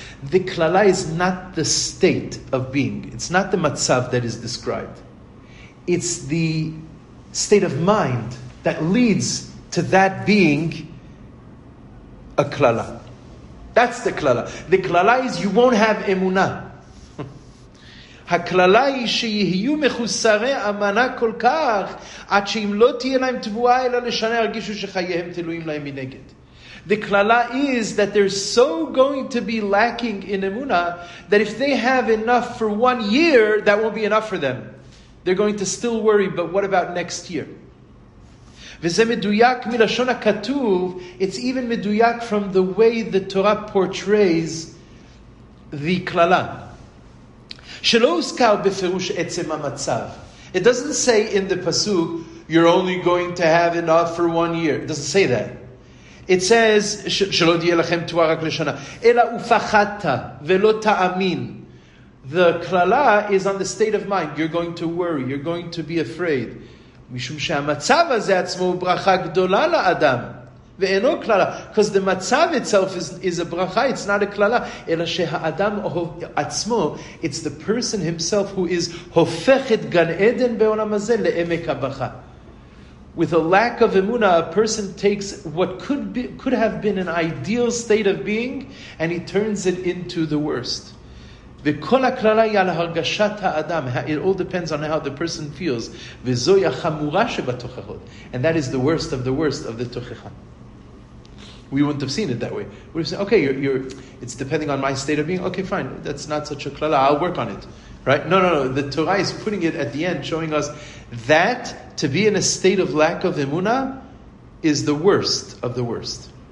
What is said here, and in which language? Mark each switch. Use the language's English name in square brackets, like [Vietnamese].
[English] The klala is not the state of being. It's not the matzav that is described. It's the state of mind that leads to that being a klala. That's the klala. The klala is you won't have emunah. [Hebrew] הכללה היא שיהיו מחוסרי אמנה כל כך עד שאם לא תהיה להם תבועה אלא לשנה הרגישו שחייהם תלויים להם מנגד. [English] The klala is that they're so going to be lacking in emuna that if they have enough for 1 year, that won't be enough for them. They're going to still worry, but what about next year? [Hebrew] וזה מדויק מלשון הכתוב. [English] It's even מדויק from the way the Torah portrays the klala. [Hebrew] שלא הוזכר בפירוש עצם המצב. [English] It doesn't say in the pasuk, you're only going to have enough for 1 year. It doesn't say that. It says, [Hebrew] שלא תהיה לכם תבואה רק לשנה. אלא ופחדת ולא תאמין. [English] The klala is on the state of mind. You're going to worry. You're going to be afraid. [Hebrew] משום שהמצב הזה עצמו הוא ברכה גדולה לאדם. ואינו כללה, [English] because the [Hebrew] מצב [English] itself is a [Hebrew] ברכה, [English] it's not a [Hebrew] כללה, אלא שהאדם עצמו, [English] it's the person himself who is [Hebrew] הופך את גן עדן בעולם הזה לעמק הברכה. [English] With a lack of emuna, a person takes what could have been an ideal state of being, and he turns it into the worst. [Hebrew] וכל הכללה היא על הרגשת האדם. [English] It all depends on how the person feels. [Hebrew] וזוהי החמורה שבתוכחות. [English] And that is the worst of the תוכחה. We wouldn't have seen it that way. We would have said, okay, it's depending on my state of being. Okay, fine, that's not such a klala. I'll work on it. Right? No. The Torah is putting it at the end, showing us that to be in a state of lack of emuna is the worst of the worst.